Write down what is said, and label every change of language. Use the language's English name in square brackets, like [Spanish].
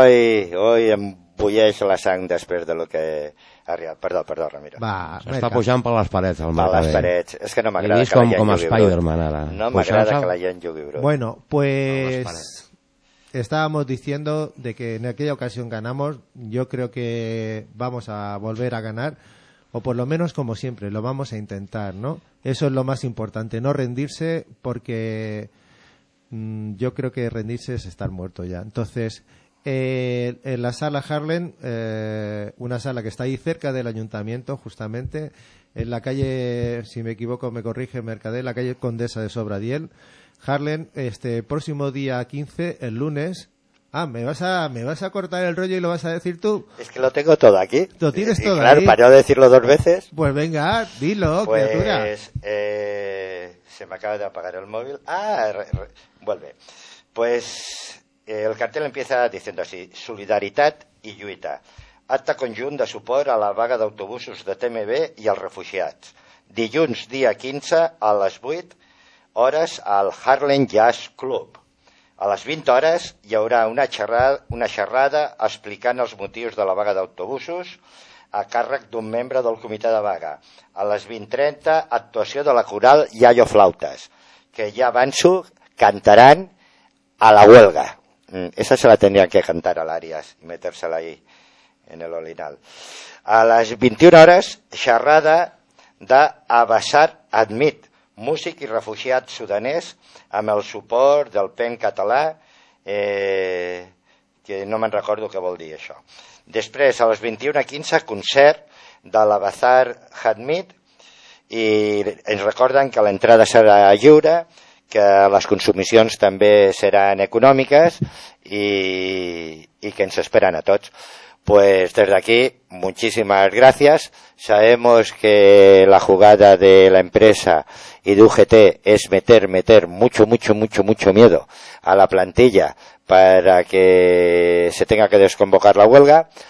[Catalan] Hoy en Bulleix la sang després de lo que... Perdó, Ramiro. Va, s'està pujant per les parets, el Marcabé. Per les parets. És que no m'agrada que la gent jugui brut. Com Spider-Man, ara. No m'agrada que la gent jugui brut. [Spanish] Bueno, pues... Estábamos diciendo de que en aquella ocasión ganamos. Yo creo que vamos a volver a ganar. O por lo menos, como siempre, lo vamos a intentar, ¿no? Eso es lo más importante, no rendirse, porque yo creo que rendirse es estar muerto ya. Entonces, en la sala Harlem, una sala que está ahí cerca del ayuntamiento, justamente, en la calle, si me equivoco me corrige Mercader, la calle Condesa de Sobradiel, Harlem, este próximo día 15, el lunes... Ah, ¿me vas a cortar el rollo y lo vas a decir tú? Es que lo tengo todo aquí. ¿Lo tienes todo claro, ahí? Claro, para no decirlo dos veces. Pues venga, dilo, pues, criatura. Pues, se me acaba de apagar el móvil. Ah, vuelve. Pues, el cartel empieza diciendo así, [Catalan] solidaritat i lluita. Acte conjunt de suport a la vaga d'autobusos de TMB i els refugiats. Dilluns, dia 15, a les 8 hores, al Harlem Jazz Club. A les 20 hores hi haurà una xerrada explicant els motius de la vaga d'autobusos a càrrec d'un membre del comitè de vaga. A les 20:30, actuació de la coral Yayo Flautas, que ja avanço, cantaran a la huelga. [Spanish] Esa se la tenien que cantar a l'Àries i metérsela ahí, en el Olinal. [Catalan] A les 21 hores, xerrada d'Abassar Admit, músic i refugiat sudanès, amb el suport del PEN català, que no me'n recordo què vol dir això. Després, a les 21:15, concert de l'Abazar Hadmit, i ens recorden que l'entrada serà lliure, que les consumicions també seran econòmiques i que ens esperen a tots. [Spanish] Pues desde aquí, muchísimas gracias. Sabemos que la jugada de la empresa y de UGT es meter mucho, mucho, mucho, mucho miedo a la plantilla para que se tenga que desconvocar la huelga.